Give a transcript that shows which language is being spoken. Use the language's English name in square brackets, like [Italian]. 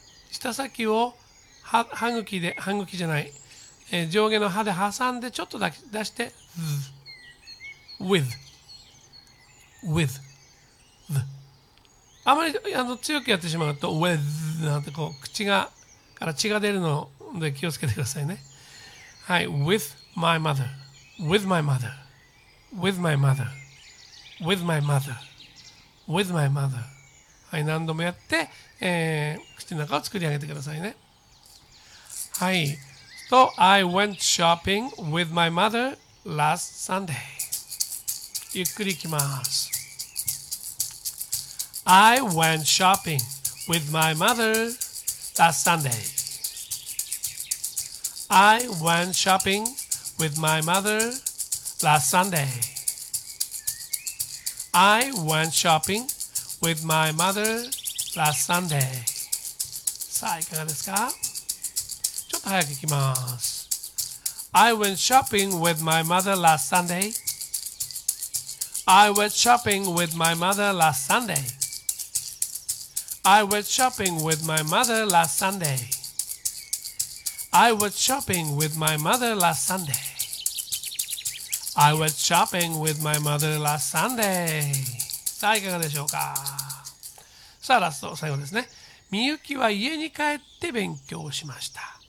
[Japanese] 舌先を 歯茎じゃない、上下の歯で挟んでちょっとだけ出して with あまり強くやってしまうと with なんてこう口がから血が出るので気をつけてくださいね。 [English] はい、 with my mother、 with my mother、 with my mother、 with my mother、 with my mother。 [Japanese] はい、何度もやって口の中を作り上げてくださいね。 [English] はい、so I went shopping with my mother last Sunday。 [Japanese] ゆっくりいきます。 [English] I went shopping with my mother last Sunday。 I went shopping with my mother last Sunday。 I went shopping with my motherLast Sunday。 [Japanese] さあいかがですか。ちょっと早くいきます。 [English] I went shopping with my mother last Sunday。 I went shopping with my mother last Sunday。 I went shopping with my mother last Sunday。 I went shopping with my mother last Sunday。 I went shopping with my mother last Sunday。 [Japanese] さあいかがでしょうか。さあラスト、最後ですね。みゆきは家に帰って勉強しました。